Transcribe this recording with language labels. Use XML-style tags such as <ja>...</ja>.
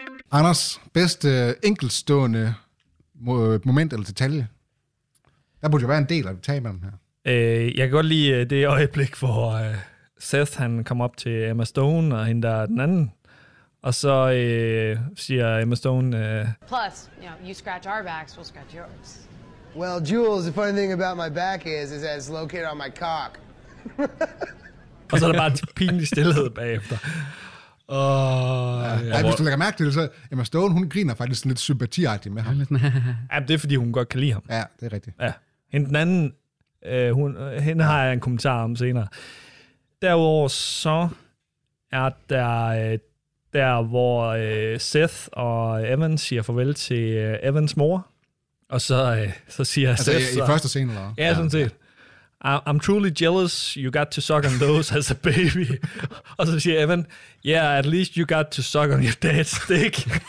<da>Anders, bedste enkeltstående moment eller detalje? Der burde jo være en del af det tage imellem her. Jeg kan godt lide det øjeblik, hvor Seth han kom op til Emma Stone og hende der den anden. Og så siger Emma Stone...</da> <en>Plus, you know, you scratch our backs, we'll scratch yours. Well, Jules, the funny thing about my back is that it's located on my cock.</en> <da>Og så er der bare en pinlig stillhed bagefter. Ja, hvis du lægger mærke til det, så Emma Stone, hun griner faktisk lidt sympatiagtigt med ham. Ja, det er fordi, hun godt kan lide ham. Ja, det er rigtigt. Ja. Hende den anden... hende har jeg en kommentar om senere. Derudover så er der hvor Seth og Evan siger farvel til Evans mor, og så siger altså Seth... Altså i første scene, eller? Ja, sådan set.</da> <en>I'm truly jealous you got to suck on those as a baby.</en> <da>Og så siger Evan,</da> <en>yeah, at least you got to suck on your dad's dick.</en>